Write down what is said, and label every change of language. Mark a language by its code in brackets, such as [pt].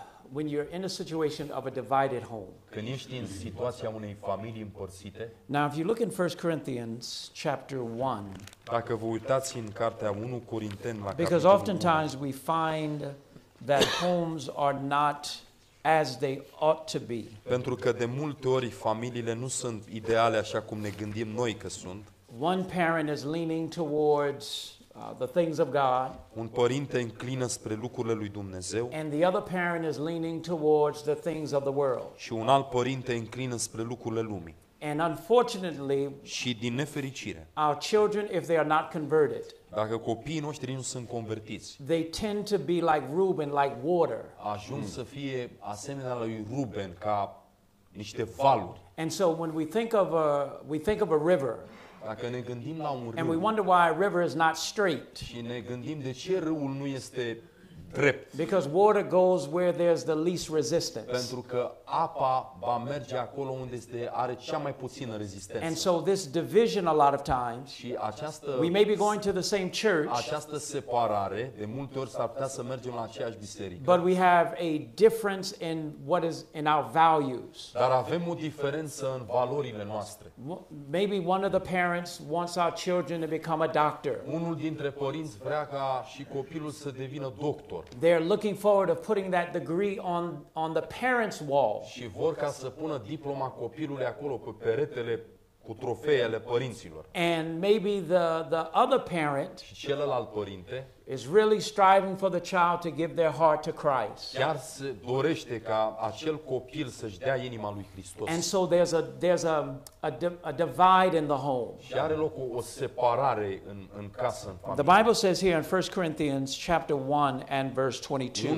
[en] When you're in a situation of a divided home. [ro] Când ești în situația unei familii împărțite. [en] Now if you look in 1 Corinthians chapter 1. [ro] Dacă vă uitați în cartea 1 Corinteni la capitolul 1. [en] Because oftentimes we find that homes are not as they ought to be. [ro] Pentru că de multe ori familiile nu sunt ideale așa cum ne gândim noi că sunt. [en] One parent is leaning towards the things of God. [ro] Un părinte înclină spre lucrurile lui Dumnezeu. [en] And the other parent is leaning towards the things of the world. [ro] Și un alt părinte înclină spre lucrurile lumii. [en] And unfortunately, [ro] și din nefericire, [en] our children, if they are not converted, [ro] dacă copiii noștri nu sunt convertiți, [en] they tend to be like Reuben, like water. [ro] Ajung să fie asemenea lui Ruben, ca niște valuri. [en] And so when we think of a river, [ro] dacă ne gândim la un râu, [en] and we wonder why a river is not straight, [ro] și ne gândim de ce râul nu este drept, [en] because water goes where there's the least resistance. [ro] Pentru că apa va merge acolo unde este, are cea mai puțină rezistență. [en] And so this division a lot of times, [ro] și această, [en] we may be going to the same church, [ro] această separare, de multe ori s-ar putea să mergem la aceeași biserică. [en] But we have a difference in what is in our values. [ro] Dar avem o diferență în valorile noastre. [en] Maybe one of the parents wants our children to become a doctor. [ro] Unul dintre părinți vrea ca și copilul să devină doctor. [en] They're looking forward to putting that degree on the parents' wall. [ro] Și vor ca să pună diploma copilului acolo pe peretele cu trofeele părinților. [en] And maybe the other parent, [ro] și celălalt părinte, [en] is really striving for the child to give their heart to Christ. [ro] Chiar se dorește ca acel copil să-și dea inima lui Hristos. [en] And so there's a divide in the home. [ro] Și are loc o separare în casă, în familie. [en] The Bible says here in 1 Corinthians chapter 1 and verse 22.